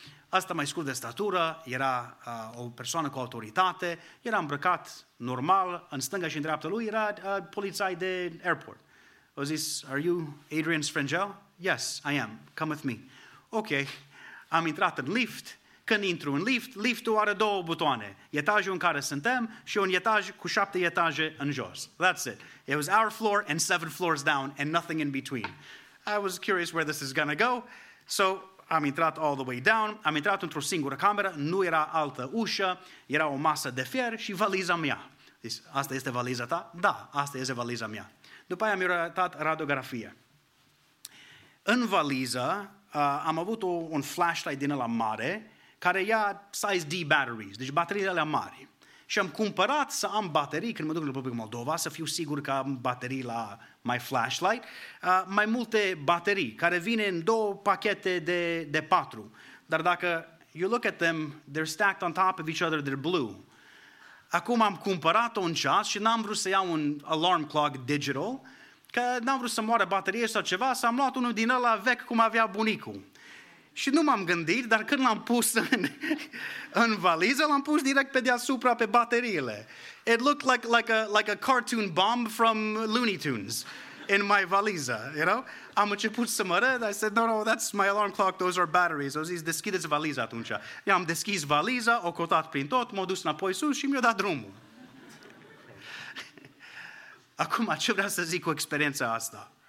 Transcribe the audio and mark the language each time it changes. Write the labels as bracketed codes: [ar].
[ro] Asta mai scurt de statură, era o persoană cu autoritate, era îmbrăcat normal, în stânga și în dreapta lui era polițai de airport. A zis, [en] are you Adrian Sfrangel? Yes, I am, come with me. [ro] Ok, am intrat în lift, când intru în lift, liftul are 2 butoane, etajul în care suntem și un etaj cu 7 etaje în jos. [en] That's it. It was our floor and 7 floors down and nothing in between. I was curious where this is going to go, so [ro] am intrat [en] all the way down, [ro] am intrat într-o singură cameră, nu era altă ușă, era o masă de fier și valiza mea. Zis, asta este valiza ta? Da, asta este valiza mea. După aia mi-a arătat radiografie. În valiză am avut un flashlight din ăla mare, care ia size D batteries, deci bateriile alea mari. Și am cumpărat să am baterii, când mă duc în Republica Moldova, să fiu sigur că am baterii la [en] my flashlight, [ro] mai multe baterii, care vine în 2 pachete de 4. Dar dacă [en] you look at them, they're stacked on top of each other, they're blue. [ro] Acum am cumpărat un ceas și n-am vrut să iau un alarm clock digital, că n-am vrut să moară baterie sau ceva, să am luat unul din ăla vechi cum avea bunicul. Și nu m-am gândit, dar când l-am pus în valiză, l-am pus direct pe deasupra pe bateriile. [en] It looked like a cartoon bomb from Looney Tunes in my valiză, you know? [ro] Am început să mă râd, [en] I said, no, that's my alarm clock, those are batteries. [ro] O zis, deschideți valiza atunci. I-am deschis valiza, o cotat prin tot, m-a dus înapoi sus și mi-a dat drumul. Acum, ce vreau să zic cu experiența asta?